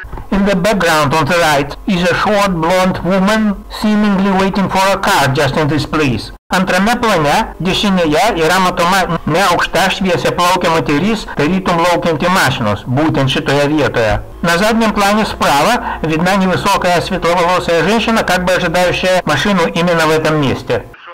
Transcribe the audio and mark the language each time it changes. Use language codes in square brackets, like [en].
[en] In the background on the right is a short blonde woman seemingly waiting for a car just in this place. [lt] Antrame plane dešinėje yra matoma neaukšta šviesiaplaukė moteris, tarytum laukianti mašinos, būtent šitoje vietoje. [ru] На заднем плане справа видна невысокая светловолосая женщина, как бы ожидающая машину именно в этом месте.